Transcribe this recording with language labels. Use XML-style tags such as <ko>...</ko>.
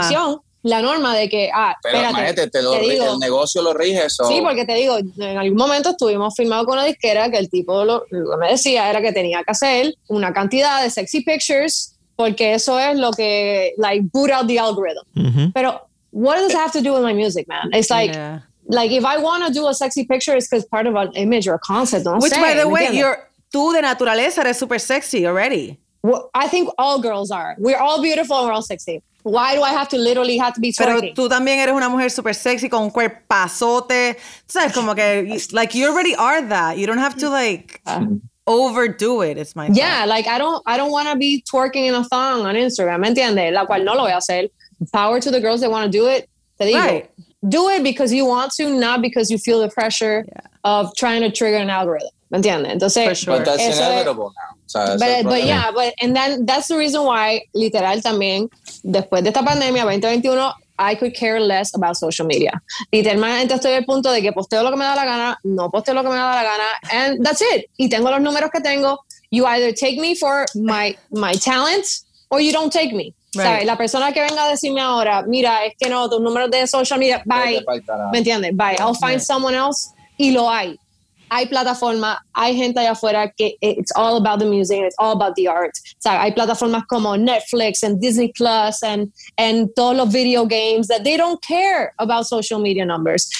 <es>Decisión. La norma de que, el negocio lo rige eso. Sí, porque te digo, en algún momento estuvimos firmados con una disquera que el tipo lo me decía era que tenía que hacer una cantidad de</es> <en>sexy pictures,</en> <es>porque eso es lo que,</es> <en>like, boot out the algorithm. Mm-hmm.</en> <es>Pero,</es> <en>what does it have to do with my music, man? It's like, yeah, like if I want to do a sexy picture, it's because part of an image or a concept, don't Which, say, by the way,</en> <es>tú de naturaleza eres super sexy</es> <en>already. Well, I think all girls are. We're all beautiful and we're all sexy. Why do I have to literally have to be twerking?</en> <es>Pero tú también eres una mujer super sexy con un cuerpazote. Tú sabes, como que,</es> <en>like, you already are that. You don't have to, like, overdo it. It's my Yeah, thought. Like, I don't want to be twerking in a thong on Instagram,</en> <es>¿me entiendes? La cual no lo voy a hacer.</es> <en>Power to the girls that want to do it.</en> <es>Te digo,</es> <en>right. Do it because you want to, not because you feel the pressure of trying to trigger an algorithm.</en> <es>¿Me entiendes? Entonces,</es> <en>for sure. But that's inevitable now. That's the reason why, literal,</en> <es>también,</es> <en>después de esta pandemia 2021, I could care less about social media.</en> <es>Literalmente estoy al punto de que posteo lo que me da la gana, no posteo lo que me da la gana,</es> <en>and that's it.</en> <es>Y tengo los números que tengo.</es> <en>You either take me for my talent, or you don't take me. Right.</en> <es>¿Sabes? La persona que venga a decirme ahora, mira, es que no, tus números de social media, bye. ¿Me entiendes? Bye.</es> <en>I'll find someone else,</en> <es>y lo hay. hay plataforma, hay gente allá afuera que</es> <en>it's all about the music, it's all about the art.</en> <es>O sea, hay plataformas como</es> <en>Netflix and Disney Plus and</en> <es>todos los</es> <en>video games that they don't care about social media numbers.</en>